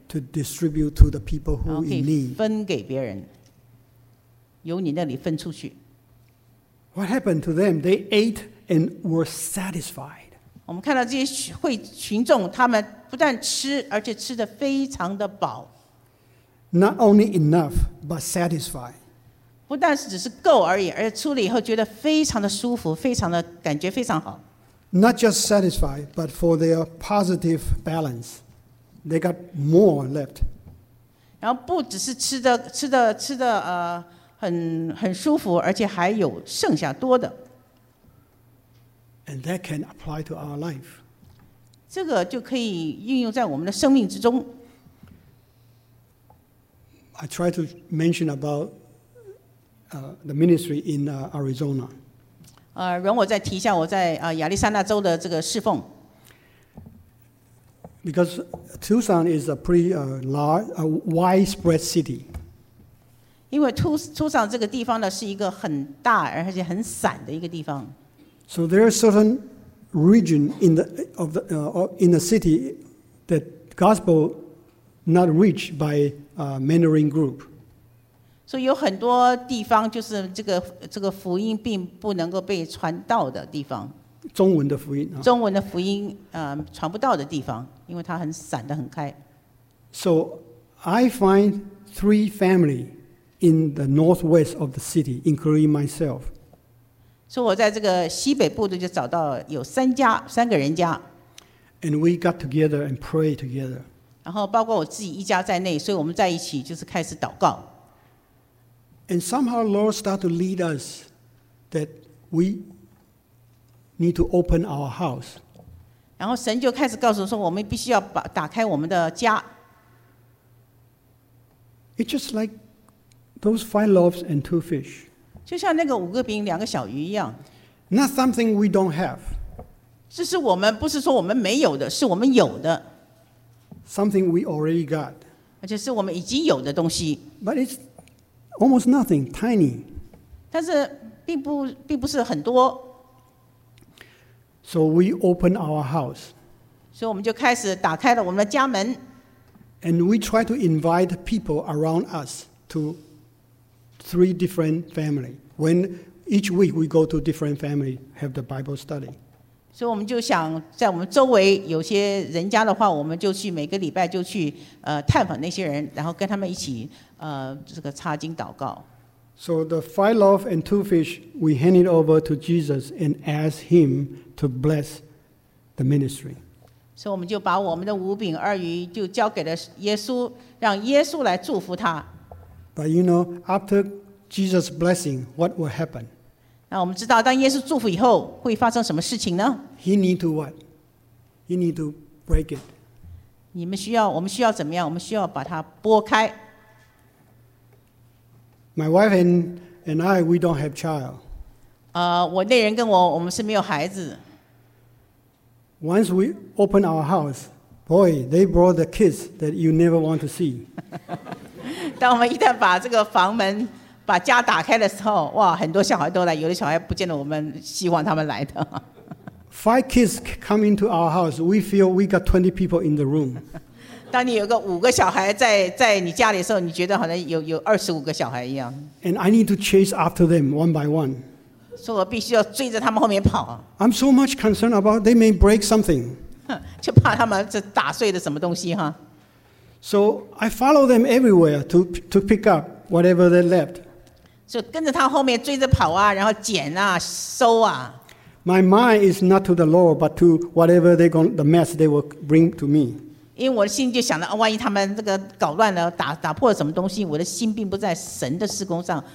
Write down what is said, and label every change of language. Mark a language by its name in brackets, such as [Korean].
[English] ，to distribute to the people who in need， [Chinese] 分给别人，由你那里分出去。 [English] What happened to them? They ate and were satisfied. [Chinese] 我们看到这些群众，他们不但吃，而且吃得非常的饱。 [English] Not only enough, but satisfied. [Chinese] 不但是只是够而已，而且出了以后觉得非常的舒服，非常的感觉非常好。 [English] Not just satisfied, but for their positive balance, they got more left. [Chinese] 然后不只是吃的很舒服，而且还有剩下多的。 [English] And that can apply to our life. [Chinese] 这个就可以运用在我们的生命之中。 [English] I try to mention about the ministry in Arizona. [Chinese] 容我再提一下我在亚利桑那州的这个侍奉。 [English] Because Tucson is a pretty large, a widespread city. [Chinese] 因为 Tucson 这个地方呢是一个很大而且很散的一个地方。 [English] So there are certain region in the of the in the city that gospel not reached by mentoring group. [Chinese] 所以有很多地方就是这个福音并不能够被传到的地方。中文的福音。中文的福音传不到的地方，因为它很散得很开。 [English] So I find three family in the northwest of the city, including myself. [Chinese] 所以我在这个西北部的就找到有三个人家 [English] and we got together and prayed together. [Chinese] 然后包括我自己一家在内，所以我们在一起就是开始祷告。 [English] And somehow Lord started to lead us that we need to open our house. [Chinese] 然后神就开始告诉说，我们必须要打开我们的家。 [English] It's just like those five loaves and two fish. [Chinese] 就像那个五个饼两个小鱼一样。 [English] Not something we don't have. [Chinese] 这是我们不是说我们没有的，是我们有的。 [English] Something we already got. [Chinese] 而且是我们已经有的东西。 [English] But it's almost nothing, tiny. [Chinese] 但是并不是很多。 [English] So we open our house. [Chinese] 所以我们就开始打开了我们的家门。 [English] And we try to invite people around us to. Three different family. When each week we go to different family, have the Bible study. So we just want, in our [Chinese] 周围有些人家的话，我们就去每个礼拜就去探访那些人，然后跟他们一起这个查经祷告。 [English] So the five loaves and two fish, we handed over to Jesus and asked him to bless the ministry. So we just [Chinese] 把我们的五饼二鱼就交给了耶稣，让耶稣来祝福他。 [English] But you know, after Jesus' blessing, what will happen? [Chinese] 那我们知道，当耶稣祝福以后，会发生什么事情呢？ [English] He need to what? He need to break it. [Chinese] 你们需要，我们需要怎么样？我们需要把它拨开。 [English] My wife and I, we don't have child. [Chinese] 我那人跟我们是没有孩子。 [English] Once we open our house, boy, they brought the kids that you never want to see. [Chinese] 当我们一旦把这个房门把家打开的时候，哇，很多小孩都来，有的小孩不见得我们希望他们来的。 [English] Five kids come into our house, we feel we got 20 people in the room. [Chinese] 当你有个五个小孩在你家里的时候，你觉得好像有25个小孩一样。 [English] And I need to chase after them one by one. [Chinese] 所以我必须要追着他们后面跑。 [English] I'm so much concerned about they may break something. [Chinese] 就怕他们这打碎的什么东西哈。 [English] So I follow them everywhere to pick up whatever they left. [Chinese] So 跟着他后面追着跑啊，然后捡啊，收啊。 [English] My mind is not to the Lord, but to whatever they going the mess they will bring to me. [Chinese] 因为我的心就想着，万一他们这个搞乱了，打破了什么东西，我的心并不在神的事工上。